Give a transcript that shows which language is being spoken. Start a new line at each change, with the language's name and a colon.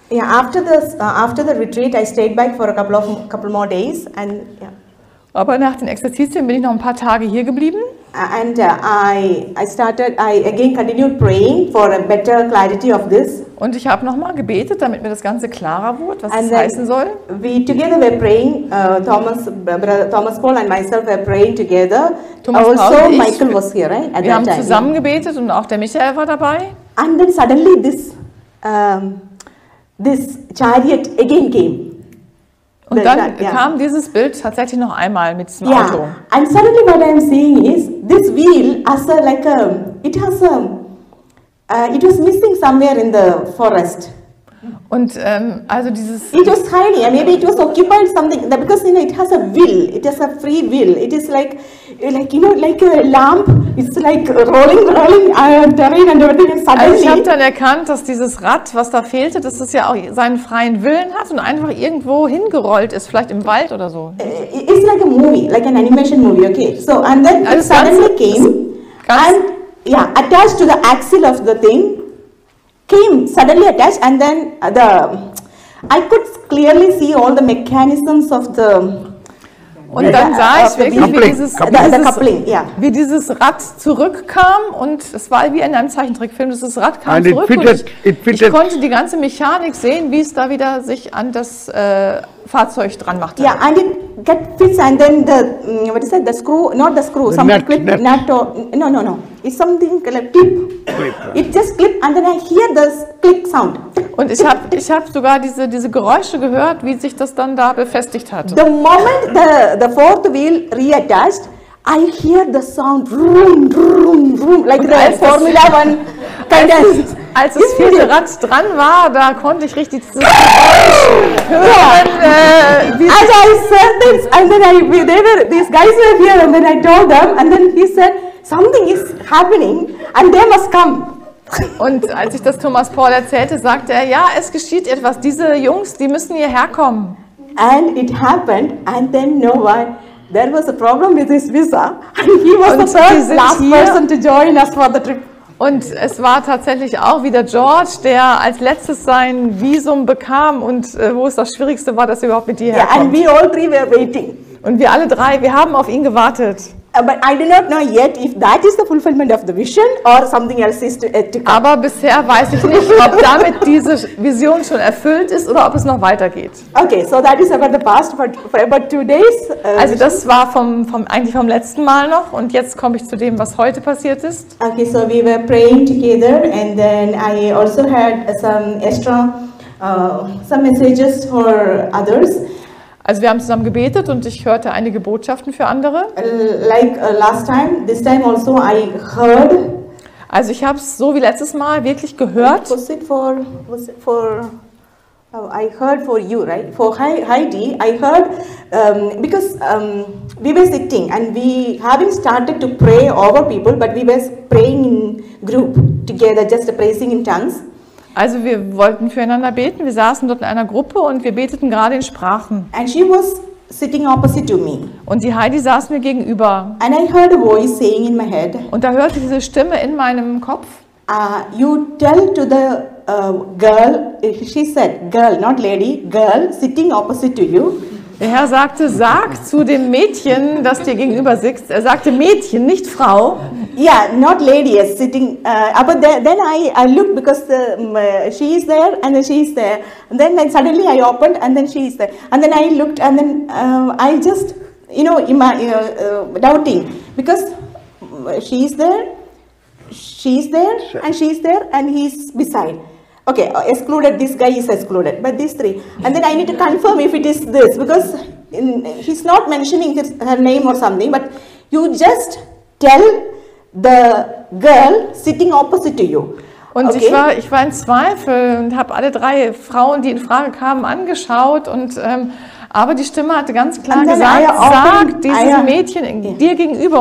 English: Yeah, after the retreat, I stayed back for a couple more days and
German: Aber nach den Exerzitien bin ich noch ein paar Tage hier geblieben.
English: And I again continued praying for a better clarity of this.
German: Und ich habe noch mal gebetet, damit mir das Ganze klarer wurde, was es heißen soll.
English: We together were praying, Thomas Paul and myself were praying together.
German: Also
English: Michael was here, right?
German: Wir haben zusammen gebetet und auch der Michael war dabei.
English: And then suddenly this chariot again came.
German: Und dann kam dieses Bild tatsächlich noch einmal mit diesem Auto.
English: Yeah. And suddenly what I'm seeing is this wheel as a like a it has a it was missing somewhere in the forest.
German: Und also dieses
English: it was tiny, maybe it was occupied something because you know it has a will, it has a free will. It is like like, you know, like a lamp, it's like rolling, rolling, terrain and everything, and suddenly...
German: Also ich habe dann erkannt, dass dieses Rad, was da fehlte, dass es ja auch seinen freien Willen hat und einfach irgendwo hingerollt ist, vielleicht im Wald oder so.
English: It's like a movie, like an animation movie, okay. So, and then it also suddenly ganz, came, ganz and, yeah, attached to the axle of the thing, came, suddenly attached, and then the... I could clearly see all the mechanisms of the...
German: Und dann sah ich wirklich, wie dieses,
English: coupling, yeah.
German: Wie dieses Rad zurückkam und es war wie in einem Zeichentrickfilm, dieses Rad kam
English: and
German: zurück
English: fitted,
German: und ich konnte die ganze Mechanik sehen, wie es da wieder sich an das Fahrzeug dran machte.
English: Ja, yeah, and it get fits and then the, what is that, the screw, not the screw, the some nut, clip, nut or, no, no, no, it's something like tip, clip, it just clip and then I hear this click sound.
German: Und ich habe sogar diese Geräusche gehört, wie sich das dann da befestigt hat.
English: The moment the fourth wheel reattached, I hear the sound vroom, vroom, vroom, like the Formula One.
German: Als das vierte Rad dran war, da konnte ich richtig hören.
English: As I said this, and then these guys were here, and then I told them, and then he said, something is happening, and they must come.
German: Und als ich das Thomas Paul erzählte, sagte er, ja, es geschieht etwas, diese Jungs, die müssen hierher kommen.
English: And it happened, and then no one. There was a problem with his visa, and he was
German: und
English: the first last
German: hier.
English: Person to join us for the trip.
German: Und es war tatsächlich auch wieder George, der als letztes sein Visum bekam und wo es das Schwierigste war, dass er überhaupt mit dir herkommt.
English: Yeah, and we all three were waiting.
German: Und wir alle drei, wir haben auf ihn gewartet.
English: But I do not know yet if that is the fulfillment of the vision or something else is to come.
German: Aber bisher weiß ich nicht, ob damit diese Vision schon erfüllt ist oder ob es noch weitergeht.
English: Okay, so that is about the past for two days.
German: Also das war vom letzten Mal noch und jetzt komme ich zu dem, was heute passiert ist.
English: Okay, so we were praying together and then I also had some extra some messages for others.
German: Also wir haben zusammen gebetet und ich hörte einige Botschaften für andere.
English: Like last time, this time also I heard.
German: Also ich habe es so wie letztes Mal wirklich gehört.
English: Was it for? Was it for? Oh, I heard for you, right? For Heidi, I heard because we were sitting and we having started to pray over people, but we were praying in group together, just praising in tongues.
German: Also wir wollten füreinander beten, wir saßen dort in einer Gruppe und wir beteten gerade in Sprachen.
English: And she was sitting opposite to me.
German: Und die Heidi saß mir gegenüber.
English: And I heard a voice saying in my head.
German: Und da hörte ich diese Stimme in meinem Kopf.
English: You tell to the girl, she said, girl, not lady, girl, sitting opposite to you.
German: Der Herr sagte, sag zu dem Mädchen, das dir gegenüber sitzt. Er sagte, Mädchen, nicht Frau.
English: Yeah, not lady, is sitting. But then I looked because she is there and then she is there. And then suddenly I opened and then she is there. And then I looked and then I just, you know, doubting. Because she is there, she is there and he is beside. Okay, excluded, this guy is excluded, but these three. And then I need to confirm if it is this, because he's not mentioning her name or something, but you just tell the girl sitting opposite to you.
German: Und okay. ich war in Zweifel und habe alle drei Frauen, die in Frage kamen, angeschaut. Und aber die Stimme hatte ganz klar gesagt, sag dieses Mädchen dir gegenüber.